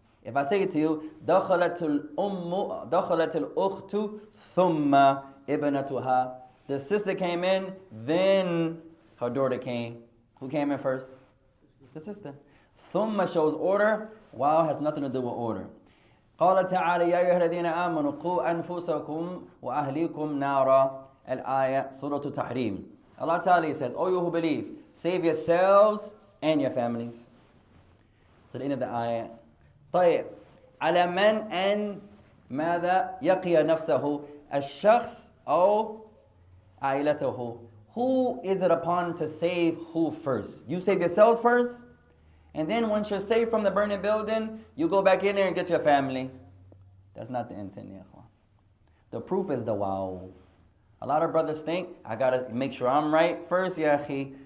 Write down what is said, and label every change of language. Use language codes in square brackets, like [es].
[en] If I say it to you, [ar] دخلت الأخت ثم ابنتها. [en] The sister came in, then her daughter came. Who came in first? The sister. ثم shows order. Wow, has nothing to do with order. [ar] قال تعالى يا أيها الذين آمنوا قوا أنفسكم وأهليكم نارا الآية سورة تحريم. [en] Allah Ta'ala says, O you who believe, save yourselves and your families. To the end of the ayah. [ar] طيب على من أن ماذا يقي نفسه الشخص أو عائلته. [en] Who is it upon to save who first? You save yourselves first, and then once you're saved from the burning building, you go back in there and get your family. That's not the intent, ya ikhwan. The proof is the wow. A lot of brothers think, I gotta make sure I'm right first, ya akhi.